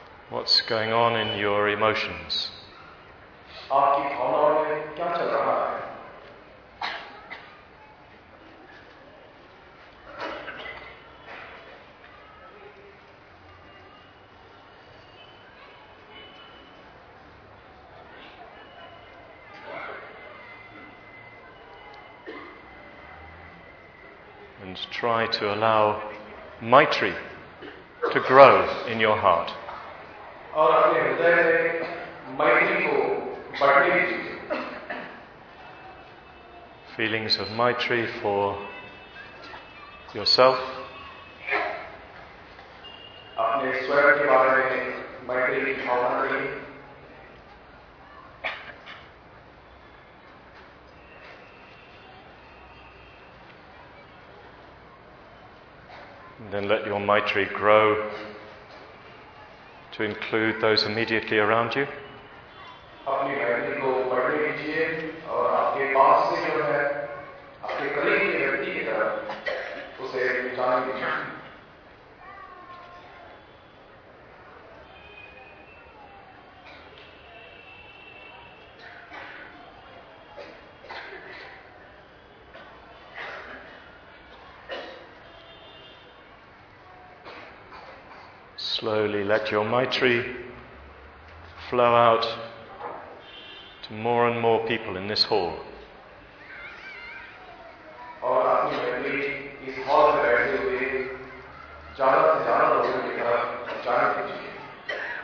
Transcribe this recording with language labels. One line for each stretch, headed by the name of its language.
English: What's going on in your emotions?
Hindi: आपकी भावनाओं में क्या चल रहा है?
English: Try to allow Maitri to grow in your heart.
Hindi: और अपने हृदय में मैत्री को बढ़ने दीजिए.
English: Feelings of Maitri for yourself.
Hindi: अपने स्वयं के बारे में मैत्री की भावना करिए.
English: Then let your Maitri grow to include those immediately around you.
Hindi: अपनी मैत्री को बढ़ने दीजिए और आपके पास से जो है आपके करीब के व्यक्ति की तरफ उसे जाने दीजिए.
English: Slowly let your Maitri flow out to more and more people in this hall.
Hindi: और अपनी मैत्री इस हॉल में बैठे हुए ज्यादा से ज्यादा लोगों की तरफ जाने दीजिए.